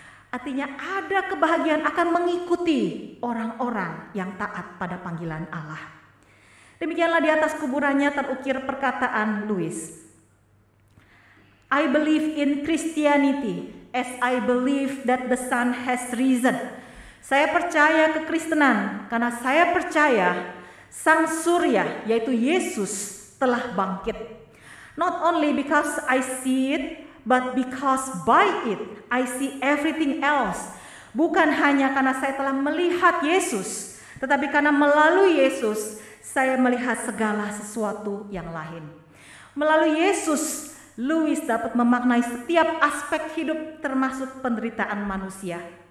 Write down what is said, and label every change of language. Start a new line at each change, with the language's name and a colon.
Indonesian: Artinya ada kebahagiaan akan mengikuti orang-orang yang taat pada panggilan Allah. Demikianlah di atas kuburannya terukir perkataan Lewis.
English: I believe in Christianity as I believe that the sun has risen.
Indonesian: Saya percaya kekristenan karena saya percaya sang surya yaitu Yesus telah bangkit.
English: Not only because I see it, but because by it I see everything else.
Indonesian: Bukan hanya karena saya telah melihat Yesus, tetapi karena melalui Yesus saya melihat segala sesuatu yang lain. Melalui Yesus, Lewis dapat memaknai setiap aspek hidup termasuk penderitaan manusia.